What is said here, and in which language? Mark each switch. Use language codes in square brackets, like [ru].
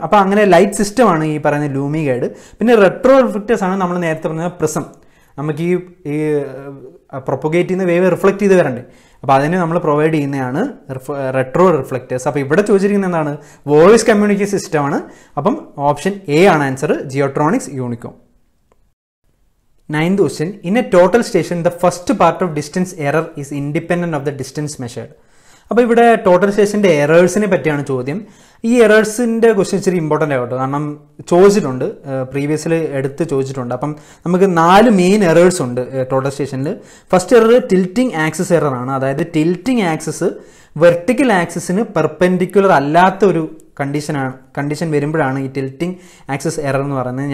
[ml] അപ്പോൾ അങ്ങനെ ലൈറ്റ് സിസ്റ്റമാണ് ഈ പറയുന്ന ലൂമി ഗൈഡ്. പിന്നെ റെട്രോ റിഫ്ലക്ടേഴ്സ് ആണ് നമ്മൾ നേരത്തെ പറഞ്ഞ പ്രിസം. നമുക്ക് ഈ ഈ പ്രൊപ്പഗേറ്റ് ചെയ്യുന്ന വേവ് റിഫ്ലക്ട് ചെയ്ത് വരണ്ട്. അപ്പോൾ അതിന് നമ്മൾ പ്രൊവൈഡ് ചെയ്യുന്നതാണ് റെട്രോ റിഫ്ലക്ടേഴ്സ്. അപ്പോൾ ഇവിടെ ചോദിച്ചിരിക്കുന്ന എന്താണ്? വോയിസ് കമ്മ്യൂണിക്കേഷൻ സിസ്റ്റമാണ്. അപ്പം ഓപ്ഷൻ എ ആണ് answer, ജിയോട്രോണിക്സ് Unicorn. [en] 9th question, in a total station, the first part of distance error is independent of the distance measured. [ml] അപ്പോൾ ഇവിടെ ടോട്ടൽ സ്റ്റേഷൻ്റെ എറേഴ്സിനെ പറ്റിയാണ് ചോദ്യം. ഈ എറേഴ്സിൻ്റെ ക്വസ്റ്റ്യൻ ഇച്ചിരി ഇമ്പോർട്ടൻ്റ് ആയിട്ട്, കാരണം ചോദിച്ചിട്ടുണ്ട്, പ്രീവിയസിൽ എടുത്ത് ചോദിച്ചിട്ടുണ്ട്. അപ്പം നമുക്ക് നാല് മെയിൻ എറേഴ്സ് ഉണ്ട് ടോട്ടൽ സ്റ്റേഷനിൽ. First error tilting access error ആണ്. അതായത് ടിൽറ്റിംഗ് ആക്സസ് വെർട്ടിക്കൽ ആക്സസിന് പെർപെൻഡിക്കുലർ അല്ലാത്ത ഒരു കണ്ടീഷൻ വരുമ്പോഴാണ് ഈ ടിൽറ്റിംഗ് ആക്സസ് എറർ എന്ന് പറയുന്നത്.